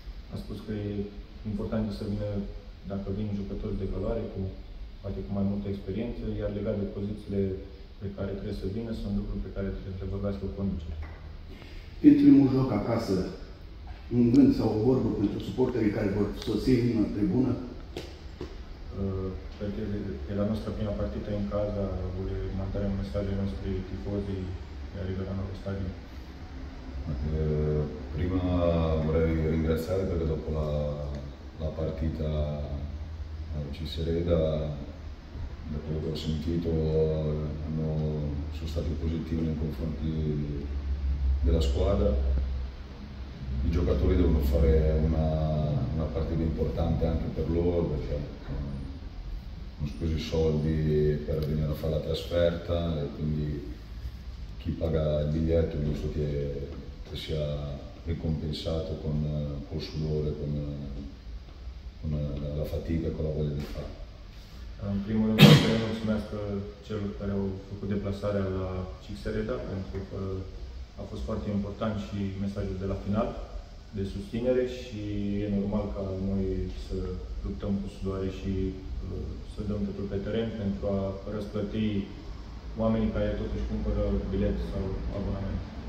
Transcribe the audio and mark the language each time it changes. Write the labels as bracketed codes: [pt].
[ro] Ha spus [it] che è importante se viene, [ro] dacă vin giocatori de valoare, poate cu mai multă experiență, iar legat de pozițiile pe care trebuie să vină, sunt lucruri pe care trebuie să le vorbească cu conducere. În primul joc acasă, un gând sau o vorbă pentru suporterii care vor sosi în tribună, [it] perché è la nostra prima partita in casa, vuole mandare un messaggio ai nostri tifosi che arriveranno allo stadio. Prima vorrei ringraziare perché dopo la partita ci Cisereda, da quello che ho sentito, sono stati positivi nei confronti della squadra. I giocatori devono fare una partita importante anche per loro, perché non speso i soldi per venire a fare la trasferta e quindi chi paga il biglietto giusto che sia ricompensato con sudore, con la fatica, con la voglia di fare. [ro] În primul rând vreau să mulțumesc celor care au făcut deplasarea la Csíkszereda, pentru că a fost foarte important și mesajul de la final de susținere și e normal ca noi să luptăm cu sudoare și să dăm totul pe teren pentru a răsplăti oamenii care totuși cumpără bilet sau abonament.